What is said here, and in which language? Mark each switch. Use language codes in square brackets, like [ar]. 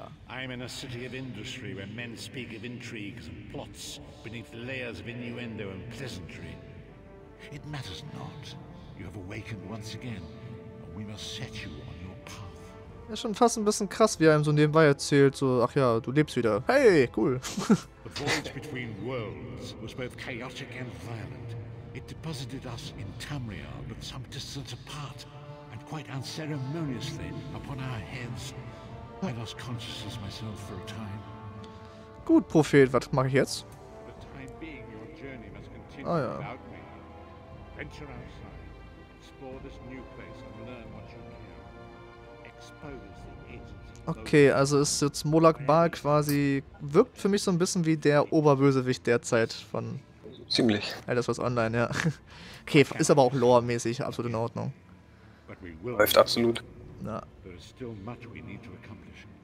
[en] I am in a city of industry where men speak of intrigues and plots beneath layers of innuendo and pleasantry. It matters not. You have awakened once again, and we must set you on your path. [de] Ja, schon fast ein bisschen krass, wie er ihm so nebenbei erzählt, so, ach ja, du lebst wieder. [en] Hey, cool. The voyage between worlds was both chaotic and violent. It deposited us in Tamriel, but some distance apart, and quite unceremoniously upon our heads. I lost consciousness myself for a time. [de] Gut, Prophet, was mache ich jetzt? [en] The time being, your journey must continue without me. Venture outside, explore this new place and learn what you can. Expose the agency. [de] Okay, also ist jetzt Molag Bal quasi, wirkt für mich so ein bisschen wie der Oberbösewicht derzeit von... Ziemlich. Ja, das war's online, ja. Okay, ist aber auch lore-mäßig absolut in Ordnung. Läuft absolut. Na. [en] There is still much we need to accomplish.